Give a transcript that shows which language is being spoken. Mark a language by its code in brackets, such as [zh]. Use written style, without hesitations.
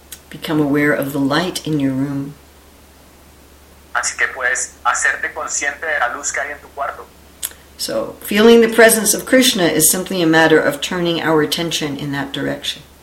[en] Become aware of the light in your room. [es] Así que puedes hacerte consciente de la luz que hay en tu cuarto. [en] So, feeling the presence of Krishna is simply a matter of turning our attention in that direction.